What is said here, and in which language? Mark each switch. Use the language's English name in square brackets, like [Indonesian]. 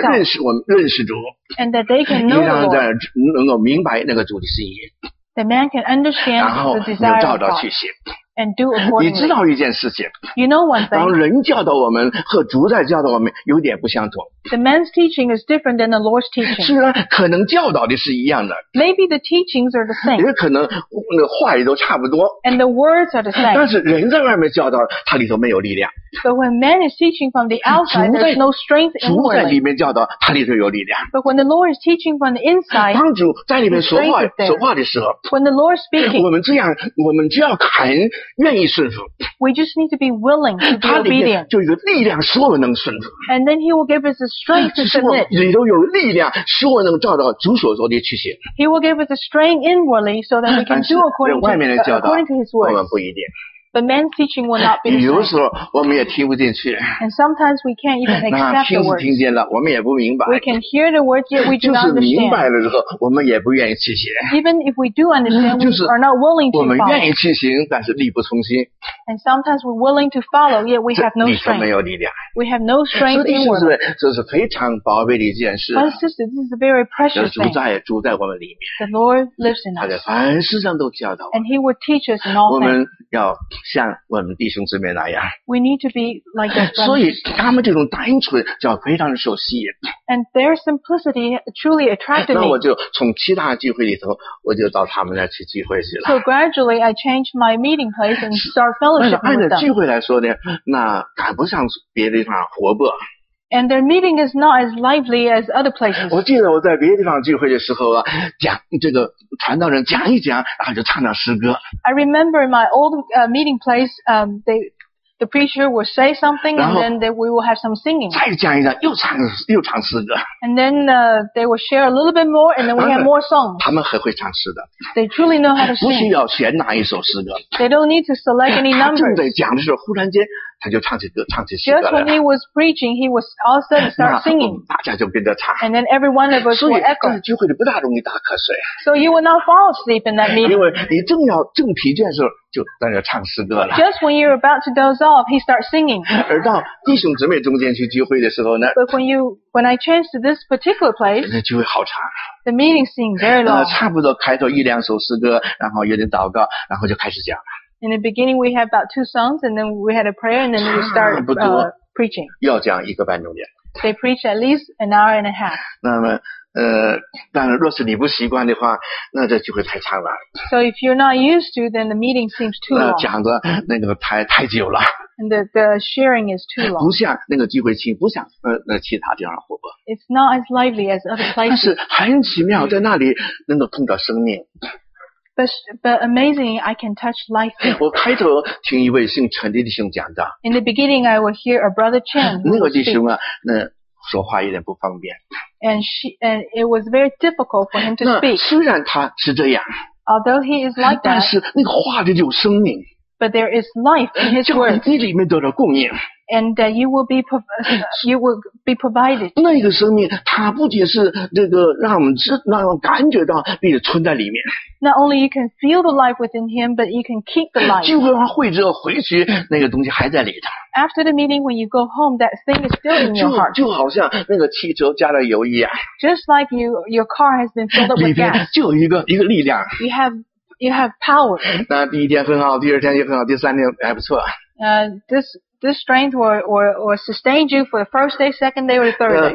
[Chinese] 让人在那儿认识我们，认识主。 [English] And that they can know the Lord. [Chinese] 让人在那儿能够明白那个主的心意。 [English] The man can understand the desire of God. [Chinese] 然后能照着去行。 [English] And do accordingly. [Chinese] 你知道一件事情。 [English] You know one thing. [Chinese] 当人教导我们和主在教导我们有点不相同。 [English] The man's teaching is different than the Lord's teaching. [Chinese] 虽然可能教导的是一样的。 [English] Maybe the teachings are the same. [Chinese] 也可能话语都差不多。 [English] And the words are the same. [Chinese] 但是人在外面教导，他里头没有力量。 [English] But when man is teaching from the outside, there's no strength in him. [Chinese] 主在里面教导，他里头有力量。 [English] But when the Lord is teaching from the inside, [Chinese] 当主在里面说话说话的时候 [English] ，When the Lord is speaking, [Chinese] 我们这样，我们就要肯愿意顺服。 [English] We just need to be willing to be obedient. [Chinese] 他里面就有力量，使我们能顺服。 [English] And then He will give us the strength to submit. [Chinese] 里头有力量，使我能照着主所说的去行。 [English] He will give us the strength inwardly so that we can do according to His word. [Chinese] 外面的教导， [English] But man's teaching will not be the same. [Chinese] 有时候我们也听不进去。 [English] And sometimes we can't even accept the words. [Chinese] 那听是听见了，我们也不明白。 [English] We can hear the words, yet we do not understand. [Chinese] 就是明白了之后，我们也不愿意去行。 [English] Even if we do understand, we are not willing to follow. [Chinese] 我们愿意去行，但是力不从心。 [English] And sometimes we're willing to follow, yet we have no strength. [Chinese] 里头没有力量。 [English] We have no strength in our life. [Chinese] 这是非常宝贝的一件事。 [English] But sister, this is a very precious thing. [Chinese] 主在我们里面。 [English] The Lord lives in us. [Chinese] 他在凡事上都教导我们。 [English] And He will teach us in all things. [Chinese] 我们要像我们弟兄姊妹那样。 [English] We need to be like that. [Chinese] 所以他们这种单纯叫非常受吸引。 [English] And their simplicity truly attracted me. [Chinese] 那我就从其他聚会里头，我就到他们那去聚会去了。 [English] So gradually I changed my meeting place and start fellowship with them. [Chinese] 按聚会来说呢，那赶不上别的地方活泼。 [English] And their meeting is not as lively as other places. [Chinese] 我记得我在别的地方聚会的时候啊，讲这个传道人讲一讲，然后就唱唱诗歌。 [English] I remember in my old meeting place, the preacher will say something, and then we will have some singing. [Chinese] 再讲一讲，又唱诗歌。 [English] And then they will share a little bit more, and then we have more songs. [Chinese] 他们很会唱诗的。 [English] They truly know how to sing. [Chinese] 不需要选哪一首诗歌。 [English] They don't need to select any numbers. [Chinese] 正在讲的时候，忽然间。他就唱起诗歌来了。 [English] Just when he was preaching, he was all sudden start singing. [Chinese] 大家就跟着唱。 [English] And then every one of us will echo. [Chinese] 所以，聚会里不大容易打瞌睡。 [English] So you will not fall asleep in that meeting. [Chinese] 因为你正要正疲倦的时候，就在那唱诗歌了。 [English] Just when you're about to doze off, he starts singing. [Chinese] 而到弟兄姊妹中间去聚会的时候呢 [English] ？But when I changed to this particular place, [Chinese] 那聚会好长。 [English] The meeting seemed very long. [Chinese] 差不多开头一两首诗歌，然后有点祷告，然后就开始讲了。 [English] In the beginning, we had about two songs, and then we had a prayer, and then we started preaching. [Chinese] 要讲一个半钟点。 [English] They preach at least an hour and a half. [Chinese] 那么，但若是你不习惯的话，那这聚会太长了。 [English] So if you're not used to, then the meeting seems too long. [Chinese] 讲的那个太久了。 [English] And the sharing is too long. [Chinese] 不像那个聚会轻，不像其他地方活泼。 [English] It's not as lively as other places. [Chinese] 但是很奇妙，在那里能够碰到生命。 [English] But amazing, I can touch life. [Chinese] 我开头听一位姓陈的弟兄讲道。 [English] In the beginning, I will hear a brother Chen. [Chinese] 那个弟兄啊，那说话有点不方便。 [English] And it was very difficult for him to speak. [Chinese] 虽然他是这样。 [English] Although he is like that. [Chinese] 但是那个话里有生命。 [English] But there is life in his words. [Chinese] 叫你里面得到供应。 [English] And that you will be provided. [Chinese] 那个生命，它不仅是这个让我们感觉到并且存在里面。 [English] Not only you can feel the life within him, but you can keep the life. [Chinese] 聚会完会之后回去，那个东西还在里头。 [English] After the meeting, when you go home, that thing is still in your heart. [Chinese] 就好像那个汽车加了油一样。 [English] Just like your car has been filled up with gas. [Chinese] 里面就有一个力量。 [English] You have power. [Chinese] 那第一天很好，第二天也很好，第三天还不错。 [English] This this strength will sustain you for the first day, second day, or the third day.